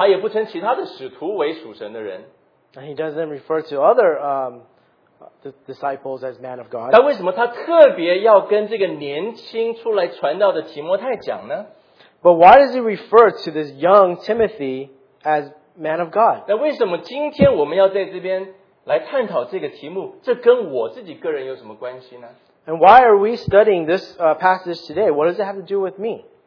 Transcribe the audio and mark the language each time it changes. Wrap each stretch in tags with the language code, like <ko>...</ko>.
<en>And he doesn't refer to other disciples as man of God. But why does he refer to this young Timothy as man of God?</en> <zh>那为什么今天我们要在这边来探讨这个题目？这跟我自己个人有什么关系呢？</zh> <en>And why are we studying this passage today? What does it have to do with me?</en>